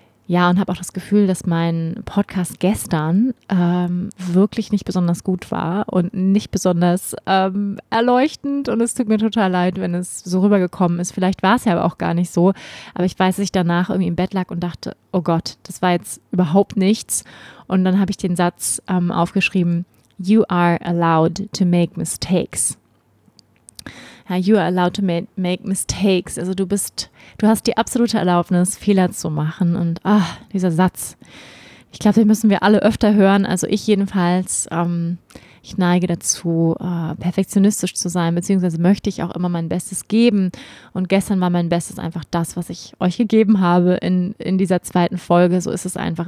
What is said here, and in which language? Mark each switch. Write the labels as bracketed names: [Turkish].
[German] Ja, und habe auch das Gefühl, dass mein Podcast gestern wirklich nicht besonders gut war und nicht besonders erleuchtend. Und es tut mir total leid, wenn es so rübergekommen ist. Vielleicht war es ja aber auch gar nicht so. Aber ich weiß, dass ich danach irgendwie im Bett lag und dachte, oh Gott, das war jetzt überhaupt nichts. Und dann habe ich den Satz aufgeschrieben, [English] you are allowed to make mistakes. [German] Ja, [English] you are allowed to make mistakes. [German] Also du hast die absolute Erlaubnis, Fehler zu machen. Und ach, dieser Satz, ich glaube, den müssen wir alle öfter hören. Also ich jedenfalls, ich neige dazu, perfektionistisch zu sein, beziehungsweise möchte ich auch immer mein Bestes geben. Und gestern war mein Bestes einfach das, was ich euch gegeben habe in dieser zweiten Folge. So ist es einfach.